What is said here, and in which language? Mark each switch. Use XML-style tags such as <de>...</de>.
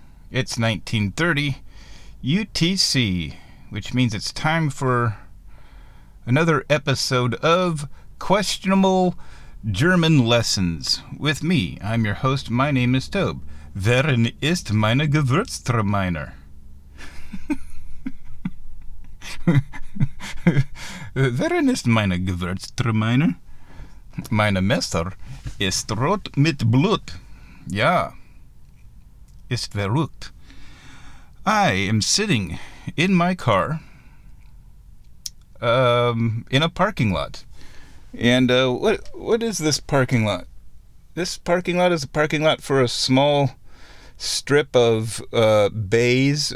<en>It's 1930 UTC, which means it's time for another episode of Questionable German Lessons with me. I'm your host. My name is Tobe. Wherein</en> <de>ist meine Gewürztraminer?</de> <en>Wherein</en> <de>ist meine Gewürztraminer? Meine Messer ist rot mit Blut. Ja, ist verrückt.</de> <en>I am sitting in my car in a parking lot. And what is this parking lot? This parking lot is a parking lot for a small strip of bays.</en>